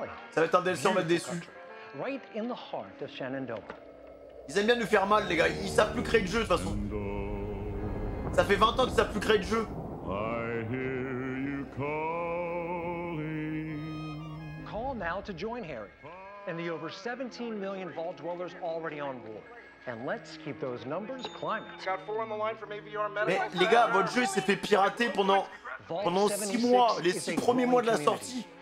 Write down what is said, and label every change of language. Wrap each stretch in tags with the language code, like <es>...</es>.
<fr>Ça va être un DLC, on va être déçus. Ils aiment bien nous faire mal, les gars. Ils savent plus créer de jeu, de toute façon. Ça fait 20 ans qu'ils savent plus créer de jeu.</fr> <en>Now to join Harry and the over 17 million vault dwellers already on board, and let's keep those numbers climbing. Got four on the line from AVR Metal.</en> <fr>Mais les gars, votre jeu s'est fait pirater pendant 6 mois, les 6 premiers mois de la sortie.</fr>